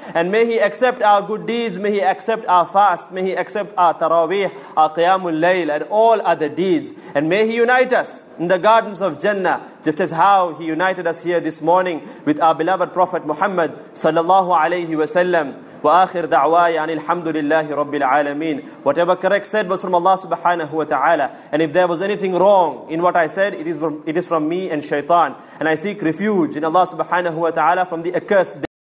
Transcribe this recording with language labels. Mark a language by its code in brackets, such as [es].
[en] And may He accept our good deeds, may He accept our fast, may He accept our Taraweeh, our Qiyamul Layl, and all other deeds. And may He unite us in the gardens of Jannah, just as how He united us here this morning with our beloved Prophet Muhammad sallallahu alayhi wa sallam. [ar] وآخر دعواي أن الحمد لله رب العالمين. [en] Whatever correct said was from Allah subhanahu wa ta'ala. And if there was anything wrong in what I said, it is from me and shaitan. And I seek refuge in Allah subhanahu wa ta'ala from the accursed day.